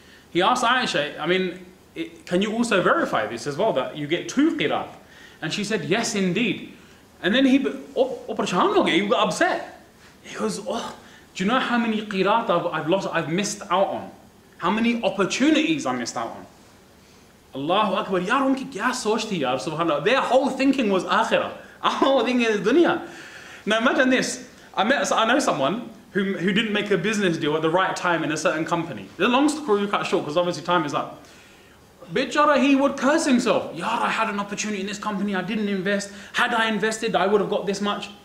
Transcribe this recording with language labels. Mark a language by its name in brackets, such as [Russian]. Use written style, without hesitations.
[English] He asks Aisha, can you also verify this as well, that you get 2 qirat? And she said, yes indeed. And then he got upset. He goes, oh, do you know how many qirat I've missed out on? How many opportunities I missed out on? [Urdu] اللہ اکبر, یار, انکی کیا سوچتی یار, سبحان اللہ. [English] Their whole thinking was akhirah. Our whole thing is dunya. Now imagine this. I know someone who didn't make a business deal at the right time in a certain company. The long story cut short, because obviously time is up. Bitchara, he would curse himself. Yaar, I had an opportunity in this company, I didn't invest. Had I invested, I would have got this much.